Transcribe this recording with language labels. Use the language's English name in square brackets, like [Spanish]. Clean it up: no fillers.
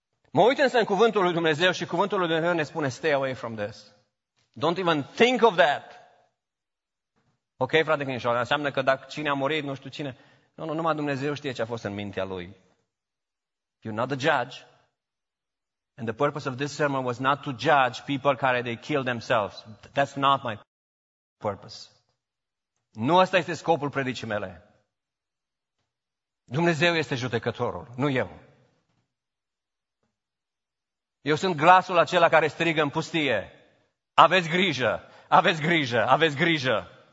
[Romanian] Mă uit însă în cuvântul lui Dumnezeu și cuvântul lui Dumnezeu ne spune, [English] stay away from this. Don't even think of that. [Romanian] Ok, frate Crișoare, înseamnă că dacă cine a murit, nu știu cine. Nu, nu, numai Dumnezeu știe ce a fost în mintea lui. [English] You're not the judge. And the purpose of this sermon was not to judge people [Romanian] care [English] they killed themselves. That's not my purpose. [Romanian] Nu ăsta este scopul predicii mele. Dumnezeu este judecătorul, nu eu. Eu sunt glasul acela care strigă în pustie. Aveți grijă, aveți grijă, aveți grijă.